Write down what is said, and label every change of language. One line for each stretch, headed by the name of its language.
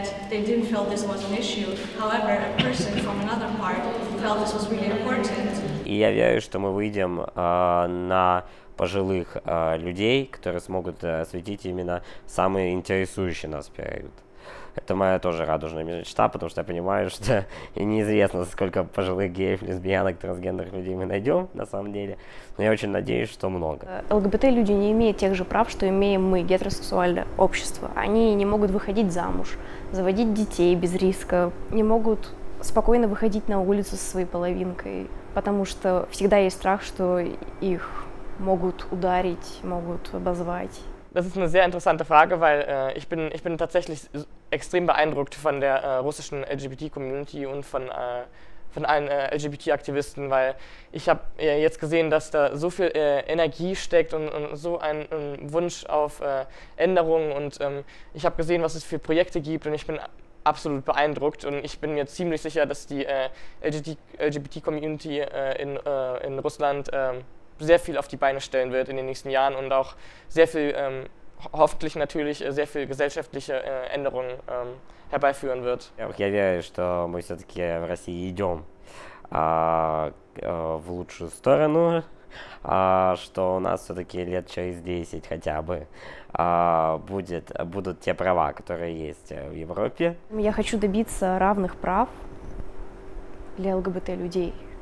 English: They didn't feel this was an issue. However, a person from another part felt this was really important.
Russian: И я верю, что мы выйдем на пожилых людей, которые смогут осветить именно самые интересующие нас период. Это моя тоже радужная мечта, потому что я понимаю, что неизвестно, сколько пожилых геев, лесбиянок, трансгендерных людей мы найдем на самом деле. Но я очень надеюсь, что много. ЛГБТ-люди не имеют тех же прав, что имеем мы, гетеросексуальное общество. Они не могут выходить замуж, заводить детей без риска, не могут спокойно выходить на улицу со своей половинкой, потому что всегда есть страх, что их могут ударить, могут обозвать.
German: Das ist eine sehr interessante Frage, weil ich bin tatsächlich extrem beeindruckt von der russischen LGBT-Community und von allen LGBT-Aktivisten, weil ich habe jetzt gesehen, dass da so viel Energie steckt und so ein Wunsch auf Änderungen und ich habe gesehen, was es für Projekte gibt und ich bin absolut beeindruckt und ich bin mir ziemlich sicher, dass die LGBT-Community in Russland sehr viel auf die Beine stellen wird in den nächsten Jahren und auch sehr viel, hoffentlich natürlich, sehr viel gesellschaftliche Änderungen herbeiführen wird.
Russian: Я верю, что мы все-таки в России идем в лучшую сторону, что у нас все-таки лет через 10 хотя бы будут те права, которые есть в Европе. Я хочу добиться равных прав для ЛГБТ-людей.